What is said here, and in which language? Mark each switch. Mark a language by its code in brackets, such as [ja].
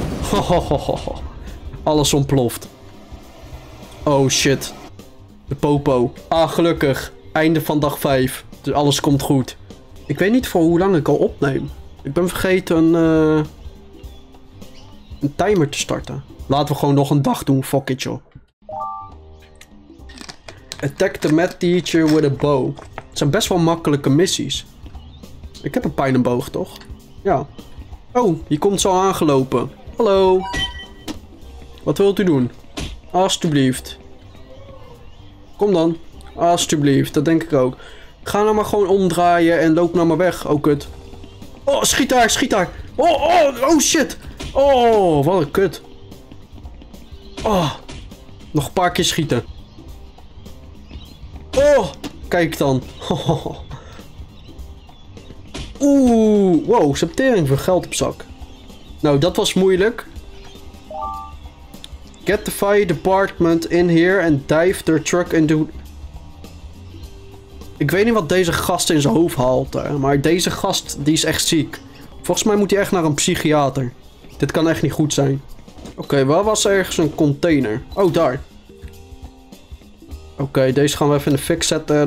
[nl] Hohohoho. Alles ontploft. Oh, shit. De popo. Ah, gelukkig. Einde van dag 5. Dus alles komt goed. Ik weet niet voor hoe lang ik al opneem. Ik ben vergeten een timer te starten. Laten we gewoon nog een dag doen, fuck it, joh. [en] Attack the math teacher with a bow. [nl] Het zijn best wel makkelijke missies. Ik heb een pijlenboog, toch? Ja. Oh, die komt zo aangelopen. Hallo. Wat wilt u doen? Alsjeblieft. Kom dan. Alsjeblieft, dat denk ik ook. Ga nou maar gewoon omdraaien en loop nou maar weg. Oh, kut. Oh, schiet daar, schiet daar. Oh, oh, oh, shit. Oh, wat een kut. Oh, nog een paar keer schieten. Oh, kijk dan. Oeh, wow, ze hebben tering veel geld op zak. Nou, dat was moeilijk. [en] Get the fire department in here and dive their truck into... [nl] Ik weet niet wat deze gast in zijn hoofd haalt, hè, maar deze gast, die is echt ziek. Volgens mij moet hij echt naar een psychiater. Dit kan echt niet goed zijn. Oké, waar was ergens een container? Oh, daar. Oké, deze gaan we even in de fik zetten.